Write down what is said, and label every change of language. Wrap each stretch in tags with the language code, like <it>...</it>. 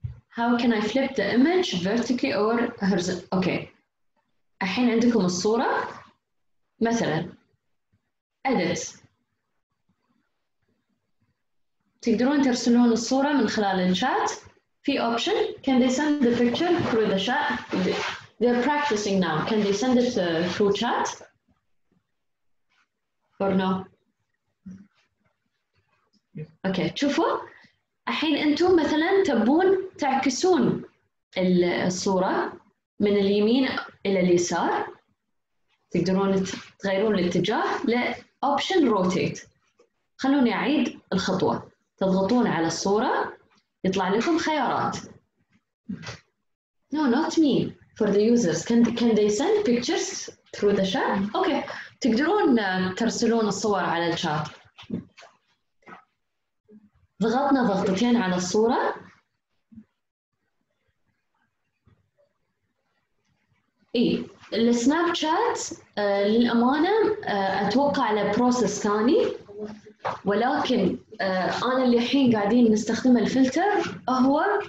<en>How can I flip the image vertically or horizontally؟</en> <ar>أوكي الحين عندكم الصورة، مثلا edit، تقدرون ترسلون الصورة من خلال الشات.</ar> <en>في option can they send the picture through the chat، they're practicing now، can they send it through chat or no؟ okay</en> <ar>شوفوا الحين انتم مثلا تبون تعكسون الصورة من اليمين الى اليسار، تقدرون تغيرون الاتجاه ل</ar> <en>option rotate.</en> <ar>خلوني اعيد الخطوة، تضغطون على الصورة يطلع لكم خيارات.</ar> <en>No, not me. For the users, can they send pictures through the chat؟</en> <ar>أوكي تقدرون ترسلون الصور على الشات. ضغطنا ضغطتين على الصورة. إي السناب شات للأمانة أتوقع على بروسس ثاني، ولكن أنا اللي حين قاعدين نستخدم الفلتر هو</ar>